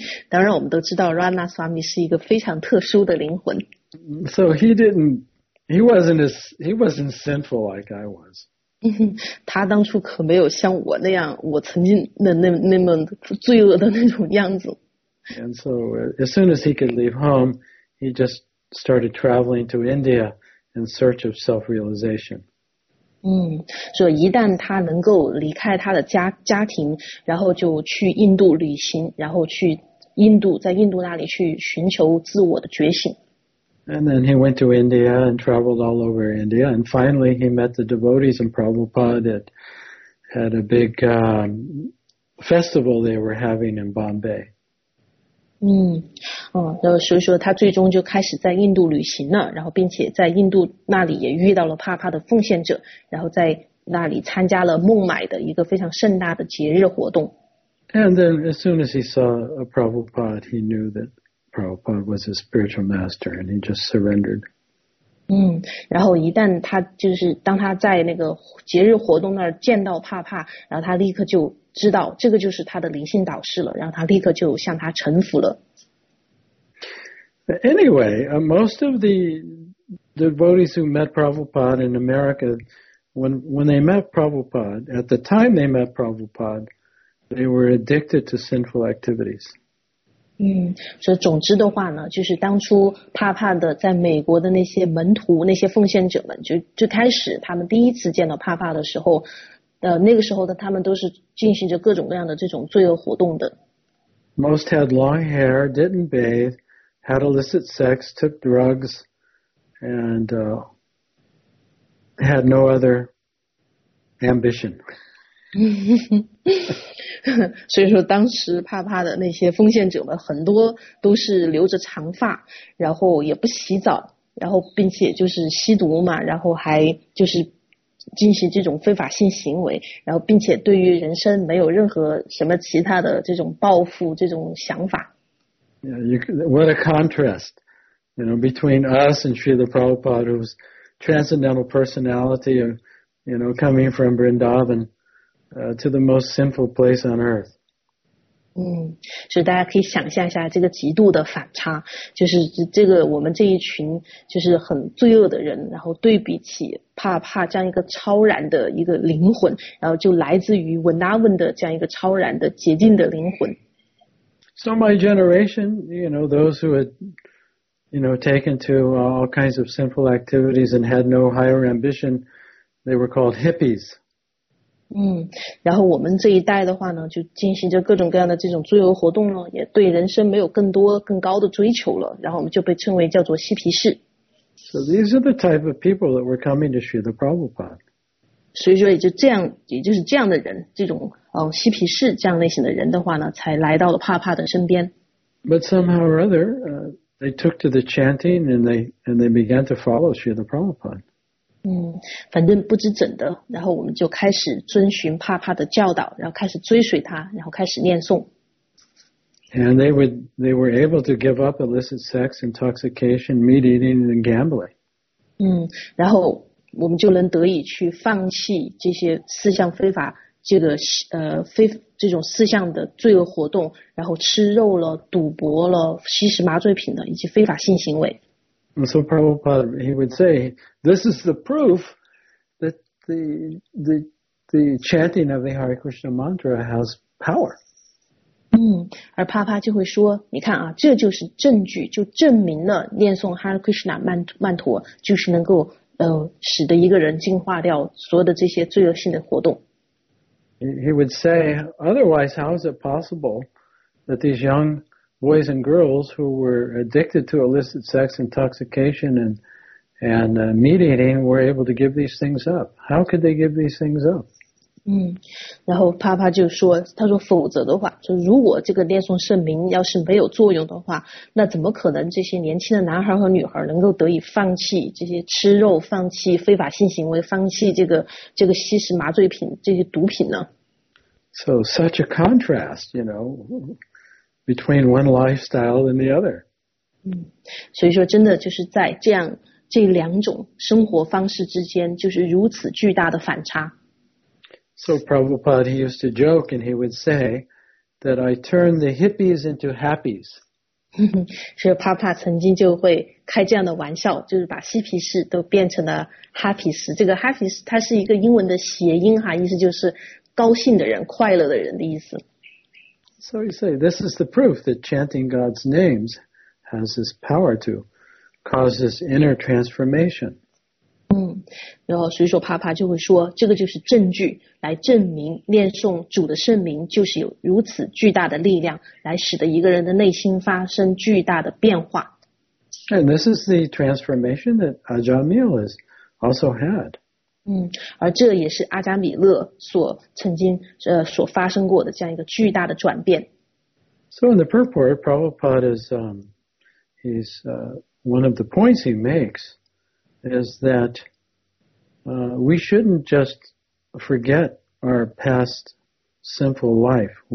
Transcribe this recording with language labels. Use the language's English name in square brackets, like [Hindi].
[Chinese] 当然我们都知道 Ratnaswami 是一个非常特殊的灵魂。 [English] So he wasn't sinful like I was. [Chinese] 他当初可没有像我那样，我曾经的那么罪恶的那种样子。 [English] And so as soon as he could leave home, he juststarted traveling to India in search of self-realization. [Chinese] 所以一旦他能够离开他的家庭，然后就去印度旅行，然后去印度，在印度那里去寻求自我的觉醒。 [English] And then he went to India and traveled all over India, and finally he met the devotees in Prabhupada that had a big festival they were having in Bombay. [Chinese] 然后所以说他最终就开始在印度旅行了，然后并且在印度那里也遇到了帕帕的奉献者，然后在那里参加了孟买的一个非常盛大的节日活动。 [English] And then as soon as he saw a Prabhupada, he knew that Prabhupada was his spiritual master, and he just surrendered. [Chinese] 然后一旦他就是当他在那个节日活动那儿见到帕帕，然后他立刻就知道这个就是他的灵性导师了，然后他立刻就向他臣服了。 [English] Anyway, most of the devotees who met Prabhupada in America, when they met Prabhupada, at the time they met Prabhupada, they were addicted to sinful activities. [Chinese] 所以总之的话呢，就是当初帕帕的在美国的那些门徒那些奉献者们就开始他们第一次见到帕帕的时候那个时候的他们都是进行着各种各样的这种罪恶活动的。 [English] Most had long hair, didn't bathe, had illicit sex, took drugs, and had no other ambition. [Chinese] 所以说当时帕帕的那些奉献者们很多都是留着长发，然后也不洗澡，然后并且就是吸毒嘛，然后还就是进行这种非法性行为，然后并且对于人生没有任何什么其他的这种抱负这种想法。 [English] Yeah, what a contrast, you know, between us and Srila Prabhupada, whose transcendental personality, you know, coming from Vrindavanto the most sinful place on earth. [Chinese] 所以大家可以想象一下这个极度的反差，就是这个我们这一群就是很罪恶的人，然后对比起帕帕这样一个超然的一个灵魂，然后就来自于 Vrindavan 的这样一个超然的洁净的灵魂。 [English] So my generation, you know, those who had, you know, taken to all kinds of sinful activities and had no higher ambition, they were called hippies. [Chinese] 然后我们这一代的话呢，就进行着各种各样的这种自由活动了，也对人生没有更多更高的追求了，然后我们就被称为叫做嬉皮士。 [English] So these are the type of people that were coming to Srila Prabhupada. [Chinese] 所以说也就这样，也就是这样的人，这种嬉皮士这样类型的人的话呢，才来到了帕帕的身边。 [English] But somehow or other, They took to the chanting and they began to follow Srila Prabhupada. [Chinese] 嗯，反正不知怎的，然后我们就开始遵循帕帕的教导，然后开始追随他，然后开始念诵。 [English] And they were able to give up illicit sex, intoxication, meat eating, and gambling. [Chinese] 嗯，然后我们就能得以去放弃这些四项非法这个非这种四项的罪恶活动，然后吃肉了、赌博了、吸食麻醉品了，以及非法性行为。 [English] And so Prabhupada, he would say, this is the proof that the chanting of the Hare Krishna mantra has power. [Chinese] 嗯，而帕帕就会说，你看啊，这就是证据，就证明了念诵 Hare Krishna mantra 就是能够使得一个人净化掉所有的这些罪恶性的活动。 [English] He would say, otherwise, how is it possible that these young boys and girls who were addicted to illicit sex, intoxication, and meat eating were able to give these things up? How could they give these things up? [Chinese] 嗯，然后帕帕就说，他说否则的话，就如果这个念诵圣名要是没有作用的话，那怎么可能这些年轻的男孩和女孩能够得以放弃这些吃肉，放弃非法性行为，放弃这个吸食麻醉品这些毒品呢？ [English] So such a contrast, you know, between one lifestyle and the other. [Chinese] 嗯，所以说真的就是在这两种生活方式之间，就是如此巨大的反差。 [English] So Prabhupada, he used to joke and he would say that I turn the hippies into happies. [Chinese] 所以帕帕曾经就会开这样的玩笑，就是把嬉皮士都变成了 happies。这个 happies 它是一个英文的谐音哈，意思就是高兴的人，快乐的人的意思。 [English] So he said, this is the proof that chanting God's names has this power to cause this inner transformation. [Chinese] 嗯，然后所以说帕帕就会说，这个就是证据，来证明念诵主的圣名就是有如此巨大的力量，来使得一个人的内心发生巨大的变化。 [English] And this is the transformation that Ajamil has also had. [Chinese] 嗯，而这也是阿加米勒所曾经所发生过的这样一个巨大的转变。 [English] So in the purport, Prabhupada is one of the points he makes. Is that we shouldn't just forget our past sinful life.